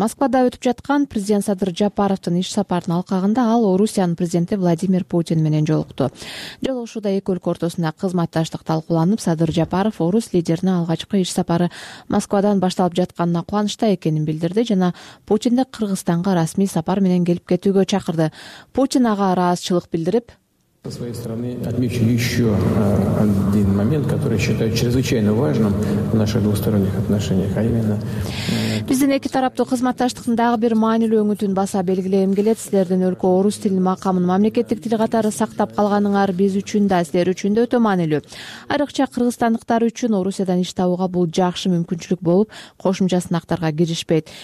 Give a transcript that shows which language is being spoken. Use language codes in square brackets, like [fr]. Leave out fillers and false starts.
[ky] Москвада өтүп жаткан президент Садыр Жапаровдун иш сапарынын алкагында ал Орусиянын президенти Владимир Путин менен жолукту. Жолугушууда эки өлкө ортосунда кызматташтык талкууланып, Садыр Жапаров орус лидерине алгачкы иш сапары Москвадан башталып жатканына кубанышта экенин билдирди жана Путинди Кыргызстанга расмий сапар менен келип кетүүгө чакырды. Путин ага ыраазычылык билдирип, [ru] со своей стороны отмечу еще один момент, который я считаю чрезвычайно важным в наших двусторонних отношениях, а именно [ky] биздин эки тараптуу кызматташтыктын дагы бир маанилүү өңүтүн баса белгилегим келет. Силердин өлкө орус тилинин макамын мамлекеттик тил катары сактап калганыңар биз үчүн да, силер үчүн да өтө маанилүү. Айрыкча кыргызстандыктар үчүн Орусиядан иш табууга бул жакшы мүмкүнчүлүк болуп, кошумча сынактарга киришпейт.